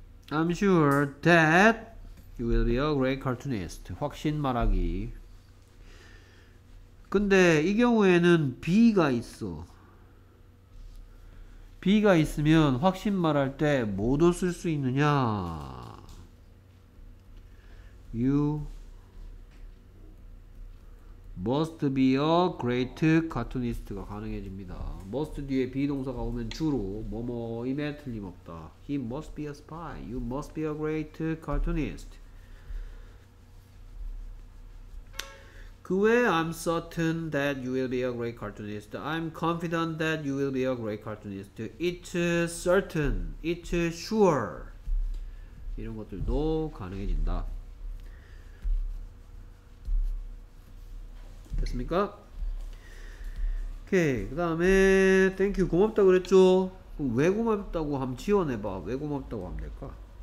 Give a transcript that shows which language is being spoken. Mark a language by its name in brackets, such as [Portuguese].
[English] I'm sure that you will be a great cartoonist. [Korean] 확신 말하기. 근데 이 경우에는 be가 있어. be가 있으면 확신 말할 때 뭐도 쓸수 있느냐? [English] You must be a great cartoonist가 가능해집니다. [Korean] must 뒤에 be 동사가 오면 주로 뭐뭐임에 틀림없다. [English] He must be a spy. You must be a great cartoonist. [Korean] 그 외에 [English] I'm certain that you will be a great cartoonist. I'm confident that you will be a great cartoonist. It's certain. It's sure. [Korean] 이런 것들도 가능해진다. 됐습니까? 오케이. 그 다음에 땡큐 고맙다 그랬죠? 그럼 왜 고맙다고 함 지원해봐. 왜 고맙다고 하면 될까?